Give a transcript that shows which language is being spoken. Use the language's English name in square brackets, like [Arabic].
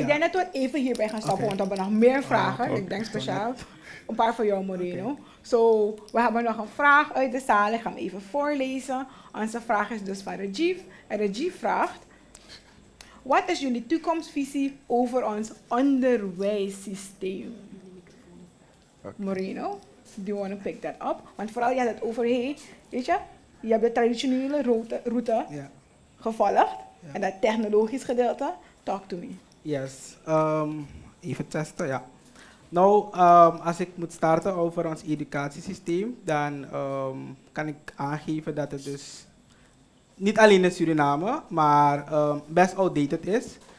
[Dutch] Ik denk dat we even hierbij gaan stoppen, okay. Want we hebben nog meer vragen. Ik denk speciaal een paar van jou, Moreno. Okay. So, we hebben nog een vraag uit de zaal. Ik ga hem even voorlezen. Onze vraag is dus van Rajiv. En Rajiv vraagt: wat is jullie toekomstvisie over ons onderwijssysteem? Okay. [English] Moreno, do you want to pick that up? [Dutch] Want vooral je had het over, je hebt de traditionele route gevolgd. Yeah. En dat technologisch gedeelte, [English] talk to me. [Dutch] Yes, even testen, ja. Nou, als ik moet starten over ons educatiesysteem, dan kan ik aangeven dat het dus niet alleen in Suriname, maar best outdated is.